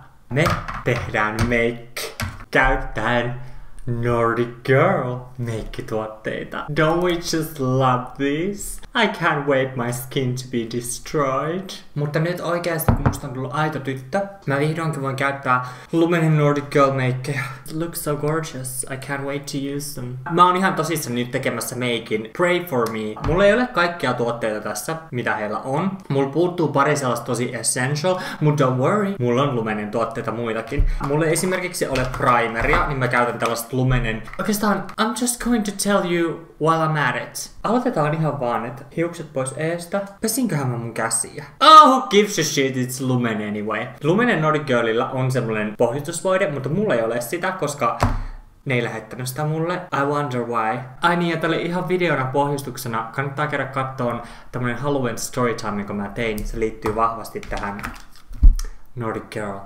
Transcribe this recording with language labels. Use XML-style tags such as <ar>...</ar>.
<fi>Me tehdään make käyttäen Nordic Girl meikkituotteita.</fi> <en>Don't we just love this? I can't wait my skin to be destroyed.</en> <fi>Mutta nyt oikeesti kun musta on tullut aito tyttö, mä vihdoinkin voin käyttää Luminen Nordic Girl meikkejä.</fi> <en>Looks so gorgeous, I can't wait to use them.</en> <fi>Mä oon ihan tosissaan nyt tekemässä meikin.</fi> <en>Pray for me.</en> <fi>Mulla ei ole kaikkia tuotteita tässä, mitä heillä on. Mulla puuttuu pari sellaista tosi essential, mutta</fi> <en>don't worry,</en> <fi>mulla on Luminen tuotteita muitakin. Mulla ei esimerkiksi ole primeria, niin mä käytän tällaista Luminen.</fi> <en>Oikeastaan, I'm just going to tell you while I'm at it.</en> <fi>Aloitetaan ihan vaan, että hiukset pois eestä. Pesinköhän mä mun käsiä?</fi> <en>Oh, gives a shit, it's Luminen anyway.</en> <fi>Luminen Nordic Girlilla on semmonen pohjustusvoide, mutta mulla ei ole sitä, koska ne ei lähettänyt sitä mulle.</fi> <en>I wonder why.</en> <fi>Ai niin, ja tää oli ihan videona pohjustuksena. Kannattaa käydä kattoon tämmönen Halloween storytime, minkä mä tein. Se liittyy vahvasti tähän Nordic Girl.</fi>